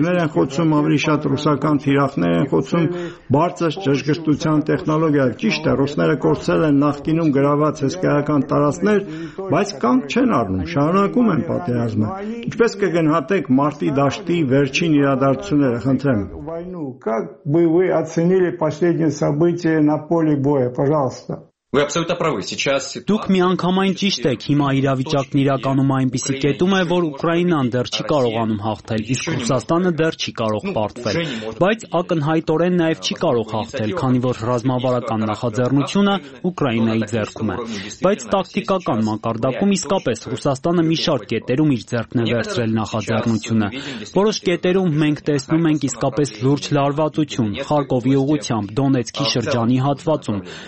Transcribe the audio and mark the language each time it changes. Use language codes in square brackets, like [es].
[hy] Ներ են խոցում ավելի շատ ռուսական թիրախներ են խոցում բարձր ճշգրտության տեխնոլոգիա։ Ճիշտ է, ռուսները կորցրել են նախկինում գրաված հսկայական տարածքներ, բայց կանգ չեն առնում, շարունակում են պատերազմը։ Ինչպես կգնահատեք մարտի դաշտի վերջին իրադարձությունները, խնդրեմ։ [ru] Как бы вы оценили последние события на поле боя, пожалуйста? Вы абсолютно правы. Сейчас [hy] դուք միանգամայն ճիշտ եք, հիմա իրավիճակն իրականում այնպիսի կետում է, որ Ուկրաինան դեռ չի կարողանում հաղթել, իսկ Ռուսաստանը դեռ չի կարող պարտվել, բայց ակնհայտորեն նաև չի կարող հաղթել, քանի որ ռազմավարական նախաձեռնությունը Ուկրաինայի ձեռքում է, բայց տակտիկական մակարդակում իսկապես Ռուսաստանը մի շարք կետերում իր ձեռքն է վերցրել նախաձեռնությունը։ Որոշ կետերում մենք տեսնում ենք իսկապես լուրջ լարվածություն Խարկովի ուղությամբ, Դոնեցկի շրջանի հատվածում,